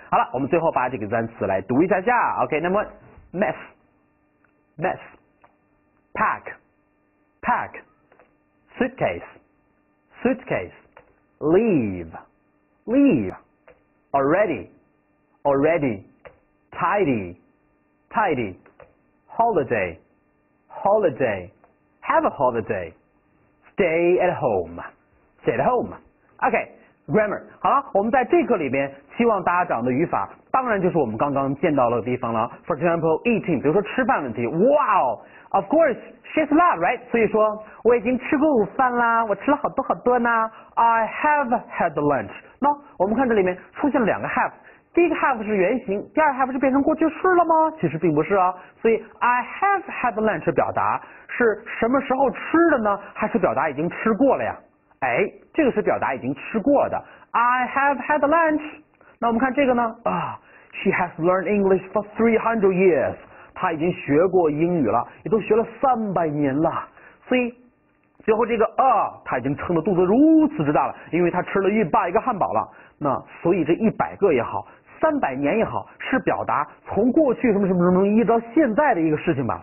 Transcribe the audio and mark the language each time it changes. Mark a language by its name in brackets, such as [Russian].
[Chinese] 好了，我们最后把这个单词来读一下下。 [English] OK， 那么 mess， mess， pack， pack， suitcase， suitcase， leave， leave， already， already， tidy， tidy。 Holiday, holiday, have a holiday, stay at home, stay at home. OK, grammar. [Chinese] 好了，我们在这课里边希望大家掌握的语法，当然就是我们刚刚见到的地方了。 [English] For example, eating, [Chinese] 比如说吃饭问题。 [English] Wow, of course, she's loved, right? [Chinese] 所以说我已经吃过午饭啦，我吃了好多好多呢。 [English] I have had lunch. [Chinese] 那我们看这里面出现了两个 have。第一个 have 是原型，第二个 have 是变成过去式了吗？其实并不是啊，所以 [English] I have had lunch [Chinese] 表达是什么时候吃的呢？还是表达已经吃过了呀？哎，这个是表达已经吃过的， [English] I have had lunch。 [Chinese] 那我们看这个呢， [English] She has learned English for 300 years. [Chinese] 她已经学过英语了，也都学了300年了。 See, 最后这个啊，她已经撑得肚子如此之大了，因为她吃了100个汉堡了。那所以这100个也好，300年也好，是表达从过去什么什么什么一直到现在的一个事情吧。